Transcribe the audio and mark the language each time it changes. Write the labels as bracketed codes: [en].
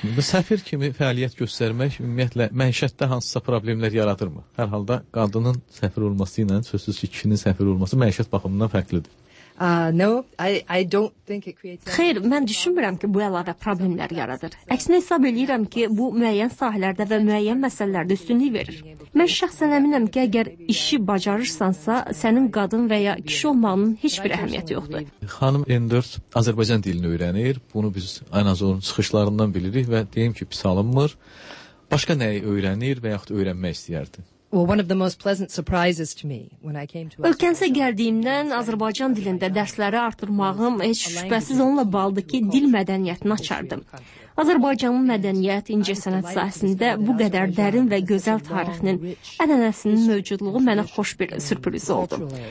[az] Səfir kimi fəaliyyət göstərmək ümumiyyətlə məişətdə hansısa problemlər yaradırmı? Hər halda qadının səfir olması ilə sözsüz ki, kişinin səfir olması məişət baxımından fərqlidir. [en] No, I don't think it creates. [az] Xeyr, mən düşünmürəm ki, bu əlavə problemlər yaradır. Əksinə hesab eləyirəm ki, bu müəyyən sahələrdə və müəyyən məsələlərdə üstünlük verir. Mən şəxsən əminəm ki, əgər işi bacarırsansa, sənin qadın və ya kişi olmanın heç bir əhəmiyyəti yoxdur. Xanım N4 Azərbaycan dilini öyrənir. Bunu biz ən az onun çıxışlarından bilirik və deyim ki, pis alınmır. Başqa nəyi öyrənir və yaxud öyrənmək istəyərdi? [en] Well, one of the most pleasant surprises to me when I came to Azerbaijan. [az] Ölkənizə gəldiyimdən Azərbaycan dilində dərsləri artırmağım heç şübhəsiz onunla bağlıdır ki, dil mədəniyyətini açardım. Azərbaycanın mədəniyyət, incəsənət sahəsində bu qədər dərin və gözəl tarixinin, ənənəsinin mövcudluğu mənə xoş bir sürpriz oldu.